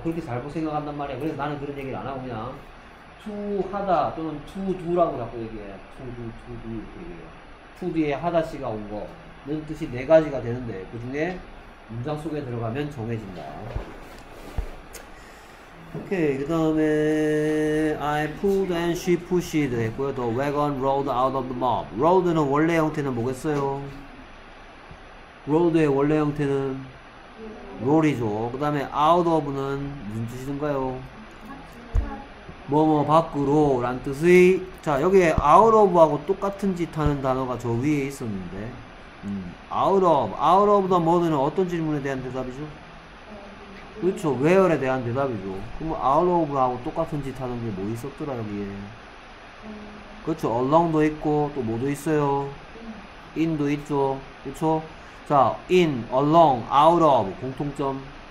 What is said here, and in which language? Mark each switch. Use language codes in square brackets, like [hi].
[ko] 그렇게 잘못 생각한단 말이야. 그래서 나는 그런 얘기를 안 하고 그냥 투 하다 또는 투 두라고 자꾸 얘기해. 투 두 이렇게 얘기해요. 투 뒤에 하다 씨가 온 거는 뜻이 네 가지가 되는데 그 중에 문장 속에 들어가면 정해진다. 오케이. 그 다음에 [en] I pulled and she pushed [ko] 했고요. [en] 또 wagon rolled out of the mob. [ko] rolled는 원래 형태는 뭐겠어요? rolled의 원래 형태는 roll이죠. 그 다음에 out of는 무슨 뜻인가요? 뭐뭐 밖으로 란 뜻의. 자, 여기에 out of하고 똑같은 짓 하는 단어가 저 위에 있었는데 [en] out of the mob [ko] 는 어떤 질문에 대한 대답이죠? 그렇죠. where에 대한 대답이죠. 그럼 out of하고 똑같은 짓 하는 게 뭐 있었더라 여기에. 그렇죠. along도 있고 또 뭐도 있어요? in도 있죠. 그렇죠. 자, in, along, out of 공통점.